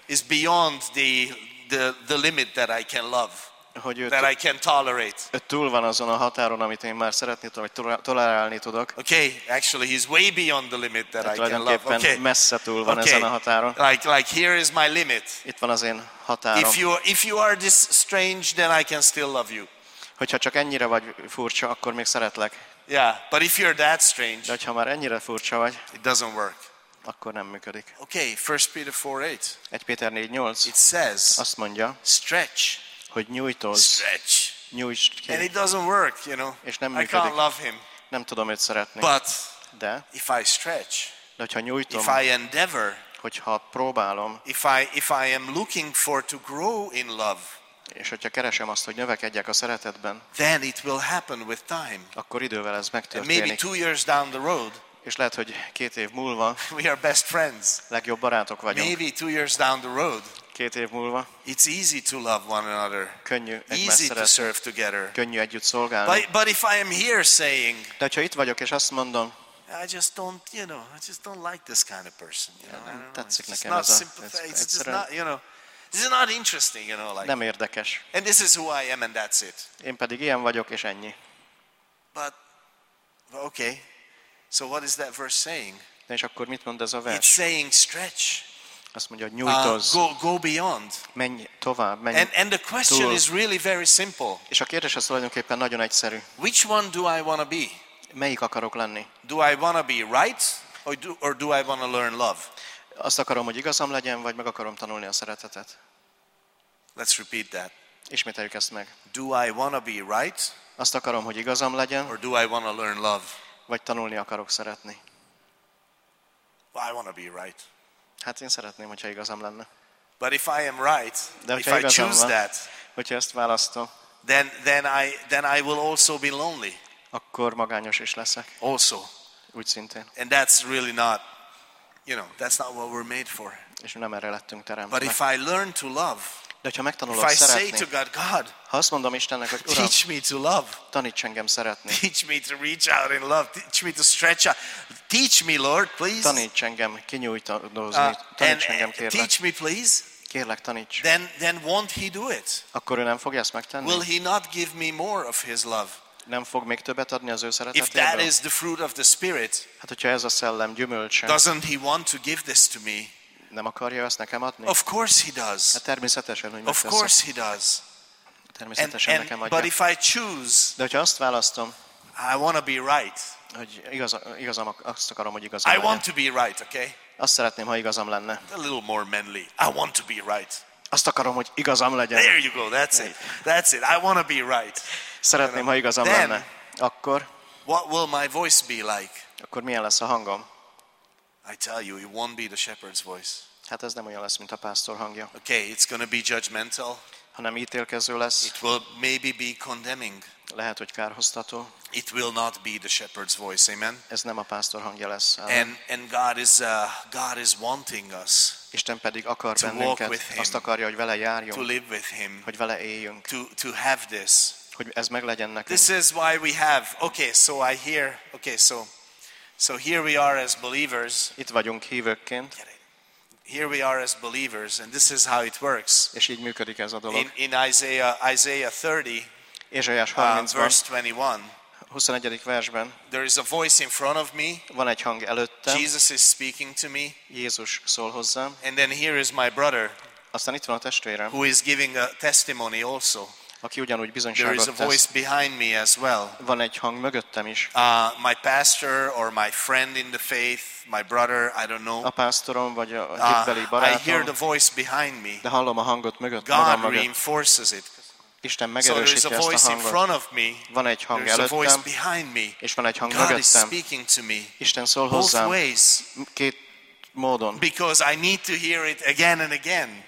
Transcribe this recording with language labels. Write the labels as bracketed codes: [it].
[en] is beyond the limit that I can love, [hu] hogy [en] that I can tolerate. [hu] Ő túl van azon a határon, amit én már szeretni tudom, vagy tolerálni tudok. [en] Okay, actually he's way beyond the limit that I can love. Okay, [hu] messze túl van ezen a határon. [en] Like here is my limit. [hu] Itt van az én határom. [en] If you are this strange, then I can still love you. [hu] Hogyha csak ennyire vagy furcsa, akkor még szeretlek. [en] Yeah, but if you're that strange, [hu] de ha már ennyire furcsa vagy, [en] it doesn't work. [hu] Akkor nem működik. [en] Okay, 1 Peter 4:8. [hu] 1 Péter 4:8. [en] It says. [hu] Azt mondja. [en] Stretch. [hu] Hogy nyújtozz. [en] Stretch. [hu] Nyújtsd ki. [en] And it doesn't work, you know. [hu] És nem működik. [en] I can't love him. [hu] nem tudom őt szeretni. [en] But [hu] de [en] if I stretch, [hu] de hogyha nyújtom, [en] if I endeavor, [hu] hogyha próbálom, [en] if I am looking for to grow in love, [hu] és hogyha keresem azt, hogy növekedjek a szeretetben, [en] then it will happen with time. [hu] Akkor idővel ez megtörténik. [en] Maybe 2 years down the road. [hu] És lehet, hogy 2 év múlva. [en] We are best friends. [hu] Legjobb barátok vagyunk. [en] Maybe 2 years down the road. [hu] 2 év múlva. [en] It's easy to love one another. [hu] Könnyű [en] easy to serve together. [hu] Könnyű együtt szolgálni. [en] But if I am here saying, [hu] de ha itt vagyok és azt mondom, [en] I just don't, you know, I just don't like this kind of person. You know, [hu] nem tetszik [en] it's [hu] nekem [en] not [hu] ez a. [en] It's just not, you know, this is not interesting, you know, like. [hu] Nem érdekes. [en] And this is who I am, and that's it. [hu] Én pedig ilyen vagyok és ennyi. [en] But okay, so what is that verse saying? [hu] De és akkor mit mond ez a vers? [en] It's saying stretch. [hu] Azt mondja, hogy nyújtozz. [en] Go beyond. [hu] Menj tovább, menj. [en] And the question [hu] túl [en] is really very simple. [hu] És a kérdés az tulajdonképpen nagyon egyszerű. [en] Which one do I want to be? [hu] Melyik akarok lenni? [en] Do I want to be right, or do I want to learn love? [hu] Azt akarom, hogy igazam legyen, vagy meg akarom tanulni a szeretetet. [en] Let's repeat that. [hu] Ismételjük ezt meg. [en] Do I want to be right? [hu] Azt akarom, hogy igazam legyen. [en] Or do I want to learn love? [hu] Vagy tanulni akarok szeretni. [en] Well, I want to be right. [hu] Hát én szeretném, hogyha igazam lenne. [en] But if I am right, [hu] de [en] if I choose [hu] van, [en] that, [hu] hogyha ezt választom, [en] then I will also be lonely. [hu] Akkor magányos is leszek. [en] Also, [hu] úgy szintén. [en] And that's really not, you know, that's not what we're made for. [hu] És nem erre lettünk teremtve. [en] But if I learn to love, [hu] de hogyha megtanulok szeretni, [en] if I say to God, God, [hu] ha azt mondom Istennek, hogy Uram, [en] teach me to love, [hu] taníts engem szeretni, [en] teach me to reach out in love, teach me to stretch out, teach me, Lord, please, [hu] taníts engem kinyújtózni, taníts engem kérlek, [en] teach me, please, [hu] kérlek taníts. [en] Then won't He do it? [hu] Akkor ő nem fogja ezt megtenni? [en] Will He not give me more of His love? [hu] Nem fog még többet adni az ő szeretetéből? [en] If that is the fruit of the Spirit, [hu] hát hogyha ez a szellem gyümölcse, [en] doesn't He want to give this to me? [hu] Nem akarja ezt nekem adni? [en] Of course He does. [hu] Hát természetesen, hogy [en] of course He does. [hu] Természetesen [en] and, [hu] nekem adja. [en] But if I choose, [hu] de hogyha azt választom, [en] I want to be right. [hu] Hogy igazam, azt akarom, hogy igazam legyen. [en] I want to be right, okay? [hu] Azt szeretném, ha igazam lenne. [en] A little more manly. I want to be right. [hu] Azt akarom, hogy igazam legyen. [en] There you go. That's it. That's it. I want to be right. [hu] Szeretném, ha igazam [en] then, [hu] lenne. Akkor [en] what will my voice be like? [hu] Akkor milyen lesz a hangom? [en] I tell you, it won't be the shepherd's voice. [hu] Hát ez nem olyan lesz, mint a pásztor hangja. [en] Okay, it's going to be judgmental. [hu] Hanem ítélkező lesz. [en] It will maybe be condemning. [hu] Lehet, hogy kárhoztató. [en] It will not be the shepherd's voice. Amen. [hu] Ez nem a pásztor hangja lesz. [en] And God is wanting us. [hu] Isten pedig akar bennünket. Azt akarja, hogy vele járjunk. [en] To live with Him. [hu] Hogy vele éljünk. [en] To have this. [hu] Hogy ez meglegyen nekünk. [en] This is why we have. Okay, so I hear. Okay, so here we are as believers. [hu] Itt vagyunk hívőként. [en] Here we are as believers, and this is how it works. [hu] És így működik ez a dolog. [en] In Isaiah 30. [hu] Ézsaiás 30-ban, [en] verse 21. [hu] 21. versben. [en] There is a voice in front of me. [hu] Van egy hang előttem. [en] Jesus is speaking to me. [hu] Jézus szól hozzám. [en] And then here is my brother. [hu] Aztán itt van a testvérem. [en] Who is giving a testimony also. [hu] Aki ugyanúgy bizonyságot tesz. [en] There is a voice behind me as well. [hu] Van egy hang mögöttem is. [en] My pastor or my friend in the faith, my brother, I don't know. [hu] A pásztorom vagy a hitbeli barátom. [en] I hear the voice behind me. [hu] De hallom a hangot mögött. [en] God reinforces it. [hu] Isten megerősíti ezt a hangot. Van egy hang előttem, és van egy hang mögöttem. Isten szól hozzám két módon. [en] Because I need to hear it again and again.